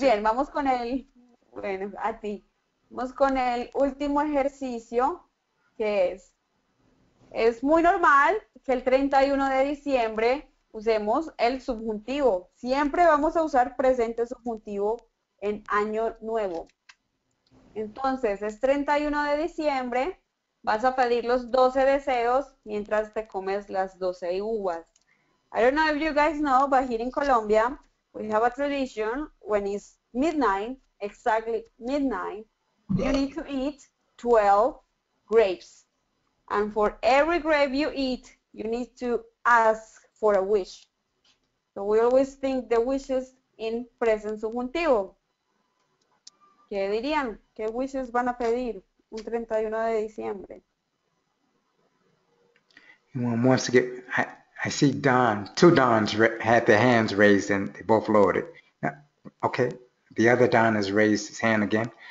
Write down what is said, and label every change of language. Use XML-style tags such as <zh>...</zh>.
<es>Muy bien, vamos con el, bueno, a ti. Vamos con el último ejercicio, que es muy normal que el 31 de diciembre usemos el subjuntivo. Siempre vamos a usar presente subjuntivo en año nuevo. Entonces, es 31 de diciembre, vas a pedir los 12 deseos mientras te comes las 12 uvas.</es> <en>I don't know if you guys know, but here in Colombia, we have a tradition when it's midnight, exactly midnight, you need to eat 12 grapes. And for every grape you eat, you need to ask for a wish. So we always think the wishes in present subjuntivo.</en> <es>¿Qué dirían? ¿Qué wishes van a pedir un 31 de diciembre?</es> <en>I see Don, two Dons had their hands raised and they both lowered it. Okay, the other Don has raised his hand again.</en>